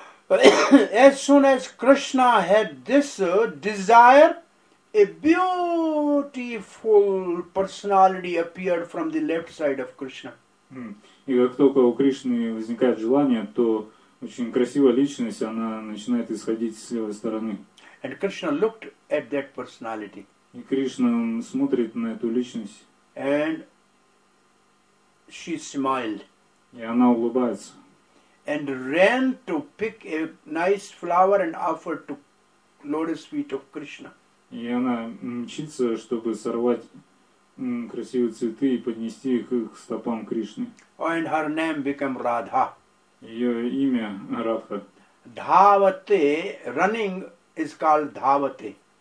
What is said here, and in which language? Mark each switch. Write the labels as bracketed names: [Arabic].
[English] As soon as Krishna had this desire, a beautiful personality appeared from the left side of Krishna. [Russian] И как только у Кришны возникает желание, то очень красивая личность, она начинает исходить с левой стороны. [English] And Krishna looked at that personality. [Russian] И Кришна смотрит на эту личность. [English] And she smiled. [Russian] И она улыбается. [English] And ran to pick a nice flower and offer to lotus feet of Krishna. [Russian] И она мчится, чтобы сорвать красивые цветы и поднести их к стопам Кришны. [English] Oh, and her name became Radha. [Russian] Ее имя Радха. [English] Dhavate, running is called Dhavate.